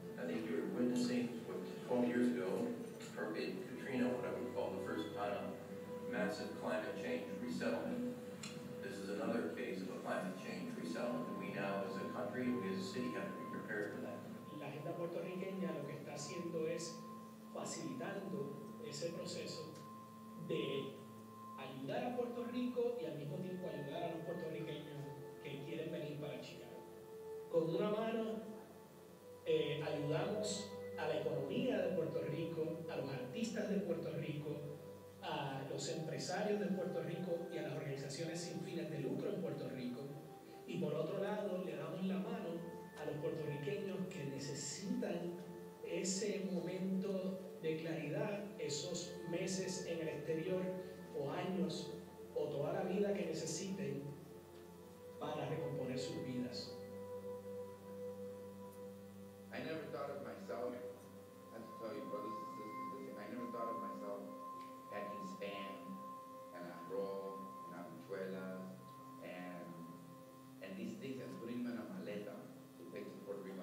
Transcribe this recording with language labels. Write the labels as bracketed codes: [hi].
[en] I think you were witnessing what 20 years ago, Hurricane Katrina, what I would call the first kind of massive climate change resettlement. This is another case of a climate change resettlement that we now, as a country, we as a city, have to be prepared for that. [es] La agenda puertorriqueña lo que está haciendo es facilitando ese proceso de ayudar a Puerto Rico y al mismo tiempo ayudar a los puertorriqueños que quieren venir para Chicago. Con una mano ayudamos a la economía de Puerto Rico, a los artistas de Puerto Rico, a los empresarios de Puerto Rico y a las organizaciones sin fines de lucro en Puerto Rico. Y por otro lado, le damos la mano a los puertorriqueños que necesitan ese momento de claridad, esos meses en el exterior, o años, o toda la vida que necesiten para recomponer sus vidas. [en] I never thought of myself, I have to tell you, brothers and sisters, I never thought of myself packing spam and arroz and habichuelas and these things and putting them in a maleta to take to Puerto Rico.